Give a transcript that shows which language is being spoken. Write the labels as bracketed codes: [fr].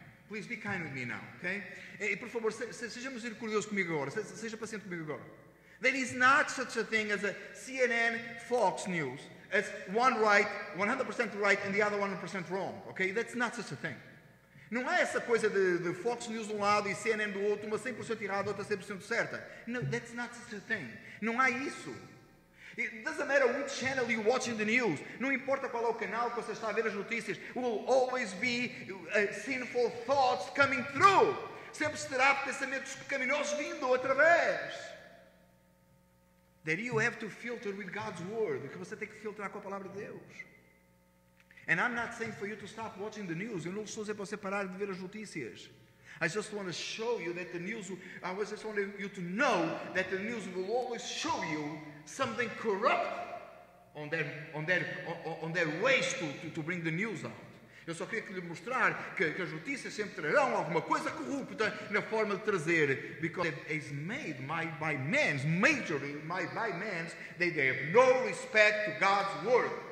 [en] Please be kind with me now, okay? [pt] E por favor, seja misericordioso comigo agora. Seja paciente comigo agora. [en] There is not such a thing as a CNN Fox News as one right, 100% right, and the other 100% wrong, okay? That's not such a thing. [pt] Não é essa coisa de Fox News de um lado e CNN do outro, uma 100% errada, outra 100% certa. [en] No, that's not such a thing. [pt] Não há isso. [en] It doesn't matter which channel you're watching the news. [pt] Não importa qual é o canal que você está a ver as notícias. [en] Will always be sinful thoughts coming through. [pt] Sempre terá pensamentos pecaminosos vindo através. [en] That you have to filter with God's word. [pt] Que você tem que filtrar com a palavra de Deus. [en] And I'm not saying for you to stop watching the news. [pt] Eu não estou a dizer para você parar de ver as notícias. [en] I just want to show you that the news. I just want you to know that the news will always show you something corrupt on their ways to bring the news out. [pt] Eu só queria lhe mostrar que as notícias sempre trarão alguma coisa corrupta na forma de trazer. [en] Because it is made by men, majorly by men, they have no respect to God's word.